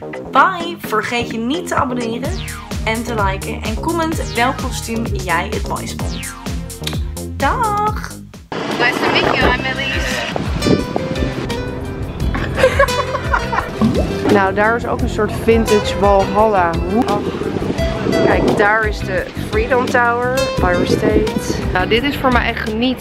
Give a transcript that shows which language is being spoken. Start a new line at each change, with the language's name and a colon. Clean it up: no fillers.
Dutch: Bye. Vergeet je niet te abonneren en te liken. En comment welk kostuum jij het mooist vond. Dag.
English: Nice to meet you, I'm Elise.
Dutch: Nou, daar is ook een soort vintage Valhalla. Kijk, daar is de Freedom Tower, Pyro State. Nou, dit is voor mij echt genieten.